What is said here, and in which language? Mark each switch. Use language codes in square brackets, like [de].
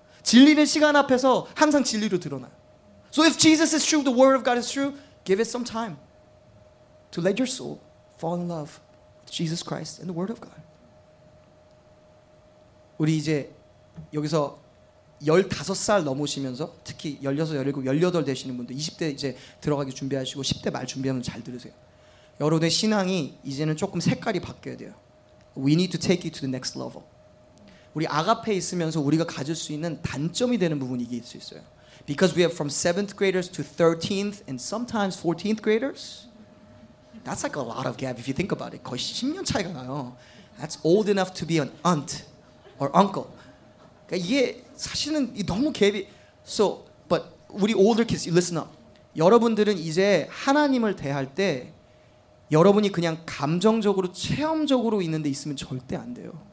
[ko] 진리는 시간 앞에서 항상 진리로 드러나요. [en] So if Jesus is true, the word of God is true, give it some time to let your soul fall in love with Jesus Christ and the word of God. [ko] 우리 이제 여기서 15살 넘으시면서 특히 16, 17, 18 되시는 분들 20대 이제 들어가기 준비하시고 10대 말 준비하면 잘 들으세요. 여러분의 신앙이 이제는 조금 색깔이 바뀌어야 돼요. [en] We need to take it to the next level. [ko] 우리 아가페에 있으면서 우리가 가질 수 있는 단점이 되는 부분이 있을 수 있어요. [en] Because we have from 7th graders to 13th and sometimes 14th graders. That's like a lot of gap if you think about it. [ko] 거의 10년 차이가 나요. [en] That's old enough to be an aunt. Or uncle. [ko] 그러니까 이게 사실은 너무 갭이. [en] So, but, 우리 older kids, listen up. [ko] 여러분들은 이제 하나님을 대할 때 여러분이 그냥 감정적으로, 체험적으로 있는데 있으면 절대 안 돼요.